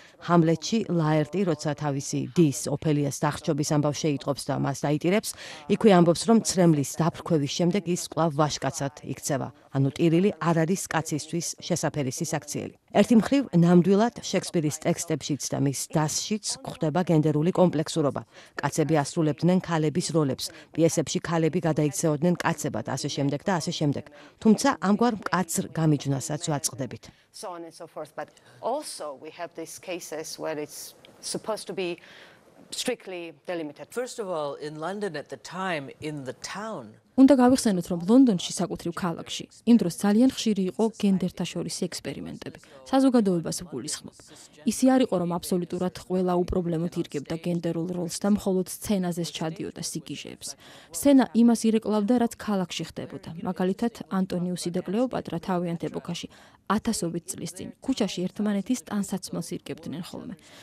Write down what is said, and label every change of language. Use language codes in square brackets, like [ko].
[ka] ჰამლეტში ლაერტი, როცა თავისი დის ოფელიას დახრჩობის ამბავს შეიტყობს და მას დაიტირებს, იქვე ამბობს, რომ ცრემლის დაფრქვევის შემდეგ ის კვლავ ვაჟკაცად იქცევა, ანუ ტირილი არ არის კაცისთვის შესაფერისი საქციელი. ერთი მხრივ, ნამდვილად შექსპირის ტექსტებშიც და მის დასშიც გვხვდება გენდერული კომპლექსურობა. კაცები ასრულებდნენ ქალების როლებს, პიესებში ქალები გადაიქცეოდნენ კაცებად, ასე შემდეგ და ასე შემდეგ. თუმცა ამგვარ მკაცრ გამიჯნასაც ვაწყდებით. [en] So on and so forth, but also we have these cases where it's supposed to be strictly delimited. First of all, in London at the time, in the town, [ka] უნდა გავიხსენოთ, რომ ლონდონში საკუთრივ ქალაქში იმ დროს ძალიან ხშირი იყო გენდერთა შორის ექსპერიმენტები. საზოგადოებას უგულისხმობ. ისე არ იყო, რომ აბსოლუტურად ყველა უპრობლემოდ ირგებდა გენდერულ როლს და მხოლოდ სცენაზე ჩადიოდა სიგიჟეებს. სცენა იმას ირეკლავდა, რაც ქალაქში ხდებოდა. მაგალითად, ანტონიუსი და კლეოპატრა თავიანთ ეპოქაში ათასობით წლის წინ ქუჩაში ერთმანეთის ტანსაცმელს ირგებდნენ ხოლმე.